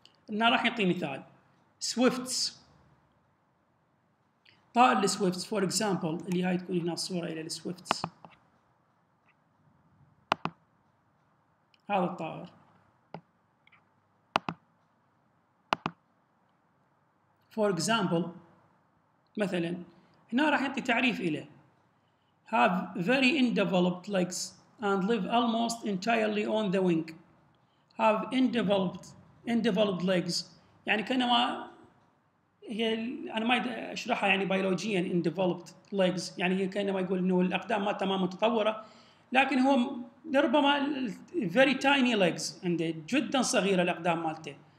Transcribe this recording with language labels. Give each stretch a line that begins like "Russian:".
Arabic: أنا راح يعطي مثال swifts طائر swifts
English: for example
Arabic: اللي هاي تكون هنا الصورة إلى swifts هذا الطائر.
English: For example,
Arabic: مثلا هنا راح يعطي تعريف إليه.
English: Have very undeveloped legs and live almost entirely on the wing. Have undeveloped legs.
Arabic: يعني كأنما هي أنا ما أشرحها يعني بيولوجيا
English: undeveloped legs.
Arabic: يعني هي كأنما يقول إنه الأقدام ما تمام متطورة. لكن هو لربما
English: very tiny legs
Arabic: عنده جدا صغيرة الأقدام مالته.